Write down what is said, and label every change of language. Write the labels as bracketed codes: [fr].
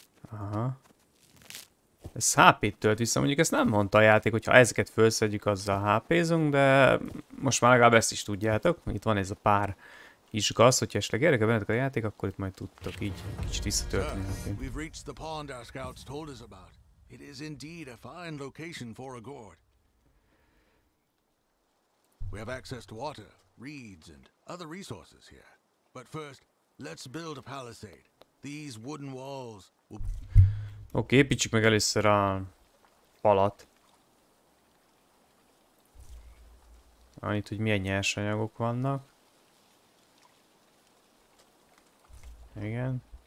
[hu] Aha. Ez HP-t tölt vissza, mondjuk ezt nem mondta a játék, hogyha ezeket felszedjük, azzal HP-zunk, de most már legalább ezt is tudjátok. Itt van ez a pár kis gaz, hogyha esetleg érdekel bennetek a játék, akkor itt majd tudtok így kicsit visszatölteni. [en] We've reached the pond our scouts told us about. It is indeed a fine location for a gourd. We have access to water, reeds, and other resources here. But first, let's build a palisade. These wooden walls will... [hu] Oké, építsük meg először a falat. Annyit, hogy milyen nyersanyagok vannak. Igen.